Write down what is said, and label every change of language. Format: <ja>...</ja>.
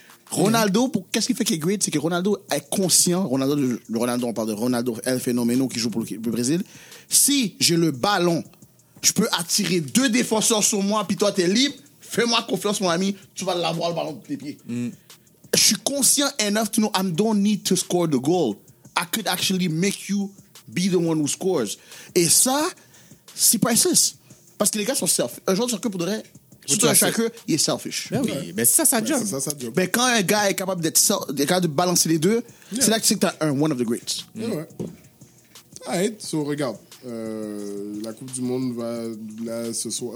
<fr>Ronaldo, qu'est-ce qui fait qu'il est great? C'est que Ronaldo est conscient. On parle de Ronaldo El Fenomeno qui joue pour le Brésil. Si j'ai le ballon, je peux attirer deux défenseurs sur moi, puis toi, t'es libre. Fais-moi confiance, mon ami. Tu vas l'avoir le ballon de tes pieds. Je suis conscient</fr> <en>enough to know I don't need to score the goal. I could actually make you be the one who scores.</en> <fr>Et ça, c'est priceless. Parce que les gars sont selfish. Un joueur de soccer, pour de vrai, surtout un chacun, il est selfish. Ça, ça job. Mais quand un gars est capable de balancer les deux, c'est là que tu sais que tu as un</fr> <en>one of the greats.</en> <fr>Ouais.</fr> <en>All right,</en> <fr>regarde. La Coupe du Monde va là ce soir.</fr>